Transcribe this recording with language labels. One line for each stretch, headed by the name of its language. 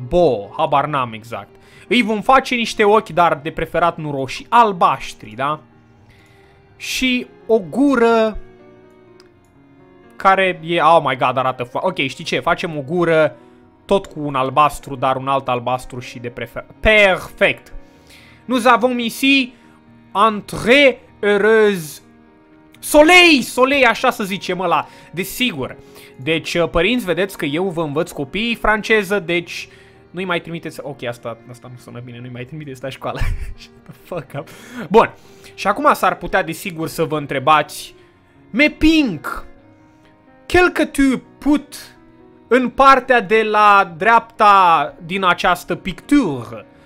Romanian: Bo, habar n-am exact. Îi vom face niște ochi, dar de preferat nu roșii, albaștri, da? Și o gură care e...
English: Oh my god,
Romanian: arată foarte... Ok, știi ce? Facem o gură... tot cu un albastru, dar un alt albastru și de preferat. Perfect!
French: Nous avons ici un très heureux soleil!
Romanian: Soleil, așa să zicem ăla, desigur. Deci, părinți, vedeți că eu vă învăț copiii franceză, deci nu-i mai trimiteți, ok, asta nu sună bine, nu-i mai trimiteți la școală.
English: Shut the fuck up.
Romanian: Bun, și acum s-ar putea desigur să vă întrebați,
French: me ping, quel que tu put
Romanian: în partea de la dreapta din această pictură?